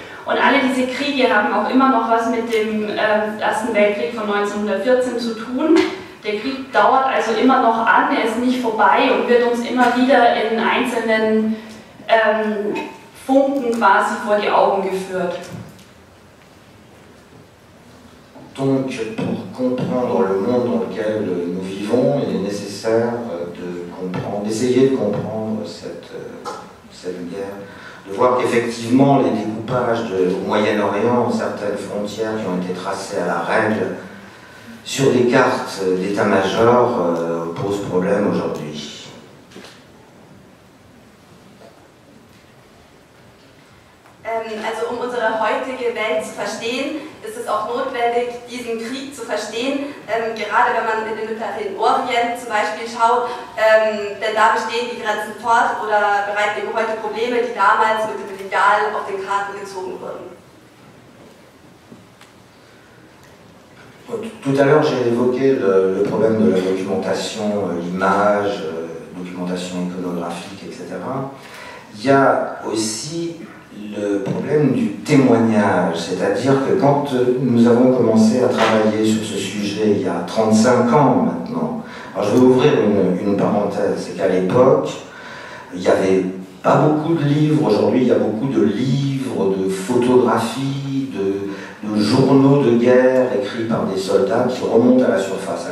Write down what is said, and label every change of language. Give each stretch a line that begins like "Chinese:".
German: Und alle diese Kriege haben auch immer noch was mit dem Ersten Weltkrieg von 1914 zu tun. Der Krieg dauert also immer noch an, er ist nicht vorbei und wird uns immer wieder in einzelnen Funken quasi vor die Augen geführt.
French: Donc, pour comprendre le monde dans lequel nous vivons, il est nécessaire de comprendre, d'essayer de comprendre cette guerre, de voir qu'effectivement les découpages au Moyen-Orient, certaines frontières qui ont été tracées à la règle sur des cartes d'état-major posent problème aujourd'hui.
German: Also um unsere heutige Welt zu verstehen, ist es auch notwendig, diesen Krieg zu verstehen, gerade wenn man in den Mittleren Orient zum Beispiel schaut, denn da bestehen die Grenzen fort oder bereiten eben heute Probleme, die damals mit dem Lineal auf den Karten gezogen wurden.
French: Tout à l'heure j'ai évoqué le problème de la documentation, l'image, documentation iconographique, etc. Il y a aussi le problème du témoignage, c'est-à-dire que quand nous avons commencé à travailler sur ce sujet il y a 35 ans maintenant, alors je vais ouvrir une parenthèse, c'est qu'à l'époque, il n'y avait pas beaucoup de livres, aujourd'hui il y a beaucoup de livres, de photographies, de journaux de guerre écrits par des soldats qui remontent à la surface.